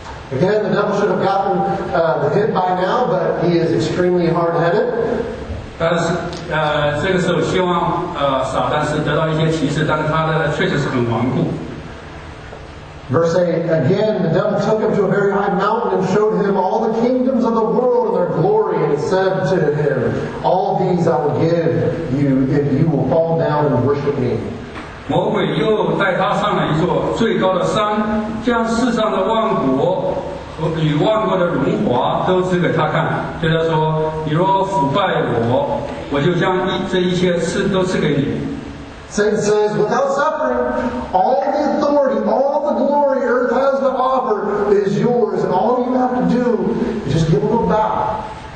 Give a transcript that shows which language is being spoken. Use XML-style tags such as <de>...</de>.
<en>Again, the devil should have gotten the hit by now, but he is extremely hard-headed.</en> <zh>但是这个时候希望撒旦是得到一些启示，但是他的确实是很顽固。</zh> <en>Verse 8, again, the devil took him to a very high mountain and showed him all the kingdoms of the world and their glory, and said to him, all these I will give you if you will fall down and worship me.</en> <zh>魔鬼又带他上来一座最高的山，将世上的万国和与万国的荣华都赐给他看。对他说：“你若腐败我，我就将这一切都赐给你。”</zh> <en>Satan says, without suffering, all the authority, all the glory earth has to offer is yours, and all you have to do is just give them back.</en>